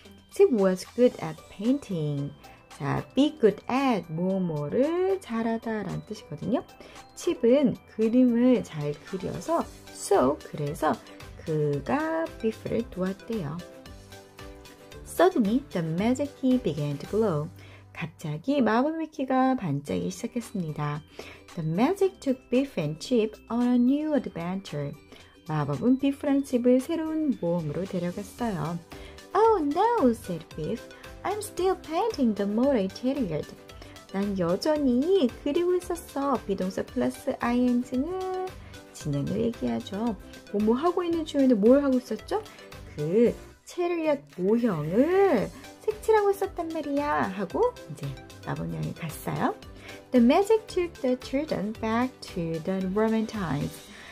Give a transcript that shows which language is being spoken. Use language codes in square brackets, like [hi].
[en] Chip was good at painting. 자, be good at [ko] 뭐뭐를 잘하다라는 뜻이거든요. 칩은 그림을 잘 그려서 so 그래서 그가 비프를 도왔대요. [en] Suddenly, the magic key began to glow. [ko] 갑자기 마법 위키가 반짝이 시작했습니다. [en] The magic took Biff and Chip on a new adventure. [ko] 마법은 비프랑 칩을 새로운 모험으로 데려갔어요. [en] Oh no, said Biff. I'm still painting the more I tired. [ko] 난 여전히 그리고 있었어. 비동사 플러스 ing는 진행을 얘기하죠. 뭐 하고 있는 중인데 뭘 하고 있었죠? 그 체리엇 모형을 색칠하고 있었단 말이야. 하고 이제 마법 여행 갔어요. [en] The magic took the children back to the Roman times.